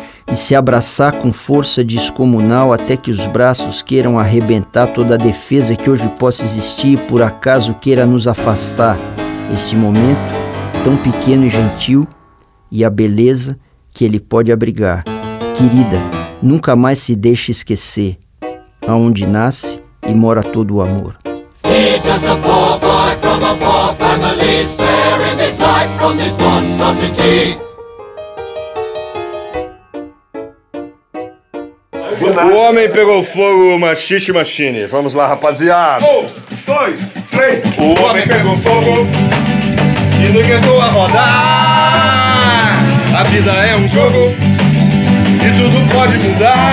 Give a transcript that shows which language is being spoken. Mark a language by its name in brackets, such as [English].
[Portuguese] E se abraçar com força descomunal até que os braços queiram arrebentar toda a defesa que hoje possa existir e por acaso queira nos afastar. Esse momento, tão pequeno e gentil, e a beleza que ele pode abrigar. Querida, nunca mais se deixe esquecer aonde nasce e mora todo o amor. [English] He's just a poor boy from a poor family, sparing his life from this monstrosity. [Portuguese] O homem pegou fogo, machixe machine. Vamos lá, rapaziada. Um, dois, três. O homem pegou fogo e não aguentou a rodar. A vida é um jogo e tudo pode mudar.